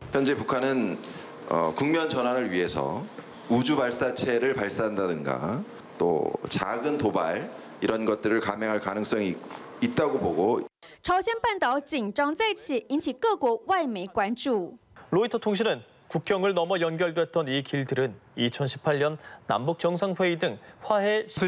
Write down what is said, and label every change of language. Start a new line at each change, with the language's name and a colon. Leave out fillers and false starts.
Korean: 현재 북한은 국면 전환을 위해서 우주 발사체를 발사한다든가 또 작은 도발 이런 것들을 감행할 가능성이 있다고 보고.
Chinese: 朝鲜半岛 긴장再起, 引起各国外媒关注.
Korean: 로이터 통신은 국경을 넘어 연결됐던 이 길들은 2018년 남북 정상회의 등 화해